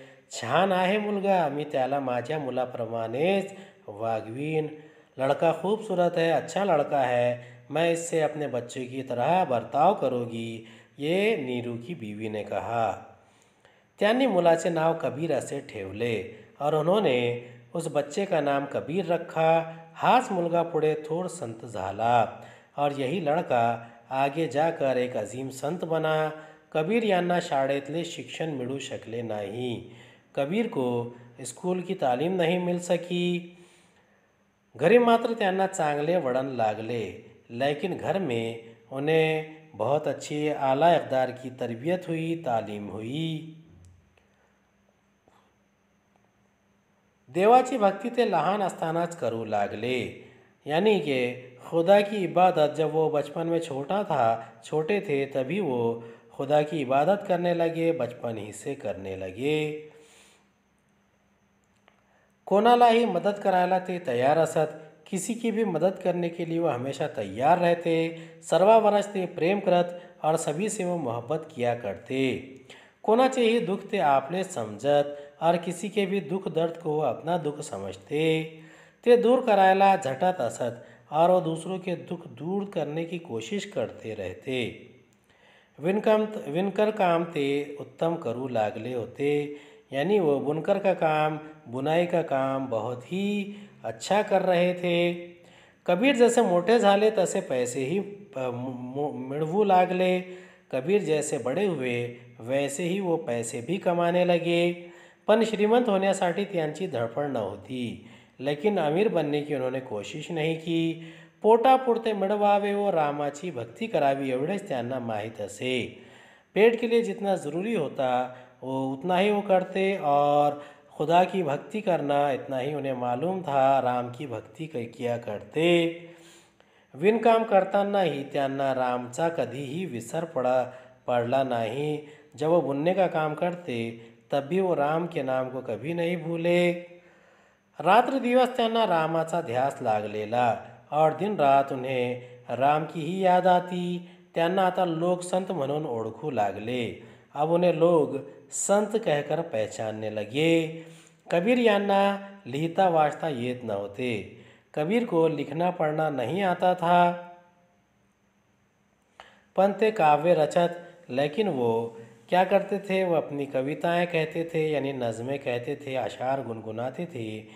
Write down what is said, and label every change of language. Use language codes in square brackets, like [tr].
[mr] छान आहे मुलगा, मी त्याला माझ्या मुलाप्रमाणेच वागवीन। [hi] लड़का खूबसूरत है, अच्छा लड़का है, मैं इससे अपने बच्चे की तरह बर्ताव करोगी, ये नीरू की बीवी ने कहा। [mr] त्यांनी मुलाचे नाव कबीर असे ठेवले [hi] और उन्होंने उस बच्चे का नाम कबीर रखा। [mr] हाच मुलगा पुढे थोर संत झाला [hi] और यही लड़का आगे जाकर एक अजीम संत बना। [mr] कबीर यांना शाळेतले शिक्षण मिळू शकले नाही। [hi] कबीर को स्कूल की तालीम नहीं मिल सकी। [mr] घरी मात्र त्यांना चांगले वडन लागले, [hi] लेकिन घर में उन्हें बहुत अच्छी आला इकदार की तरबियत हुई, तालीम हुई। [mr] देवाची भक्ति ते लहान अस्तानाच करू लागले। [hi] यानी कि खुदा की इबादत जब वो बचपन में छोटे थे तभी वो खुदा की इबादत करने लगे, बचपन ही से करने लगे। [mr] कोनाला ही मदद करायला ते तैयार असत। [hi] किसी की भी मदद करने के लिए वो हमेशा तैयार रहते। [mr] सर्वावरश ते प्रेम करत [hi] और सभी से वो मोहब्बत किया करते। [mr] कोनाचे ही दुख ते आपले समझत [hi] और किसी के भी दुख दर्द को वो अपना दुख समझते। [mr] ते दूर करायला झटत असत [hi] और वह दूसरों के दुख दूर करने की कोशिश करते रहते। [mr] विनकर काम ते उत्तम करु लागले होते, [hi] यानी वो बुनकर का काम, बुनाई का काम बहुत ही अच्छा कर रहे थे। [mr] कबीर जैसे मोटे झाले तसे पैसे ही मिड़वू लागले, [hi] कबीर जैसे बड़े हुए वैसे ही वो पैसे भी कमाने लगे। [mr] पन श्रीमंत होण्यासाठी त्यांची धडपड नव्हती, [hi] लेकिन अमीर बनने की उन्होंने कोशिश नहीं की। [mr] पोटापुरते मिड़वावे वो रामाची भक्ति करावी एवढेच त्यांना माहित असे। [hi] पेट के लिए जितना जरूरी होता वो उतना ही वो करते, और खुदा की भक्ति करना इतना ही उन्हें मालूम था, राम की भक्ति किया करते। [mr] विनकाम करताना ही त्यांना रामचा कधी ही विसर पडला नाही। [hi] जब वो बुनने का काम करते तब भी वो राम के नाम को कभी नहीं भूले। [mr] रात्र दिवस त्यांना रामाचा ध्यास लागलेला, [hi] और दिन रात उन्हें राम की ही याद आती। [mr] त्यांना आता लोक संत म्हणून ओळखू लागले, [hi] अब उन्हें लोग संत कहकर पहचानने लगे। [mr] कबीर यांना लिहिता वाचता येत नव्हते, [hi] कबीर को लिखना पढ़ना नहीं आता था, [mr] पण ते काव्य रचत। [hi] लेकिन वो क्या करते थे, वो अपनी कविताएं कहते थे, यानी नज़मे कहते थे, अशार गुनगुनाते थे।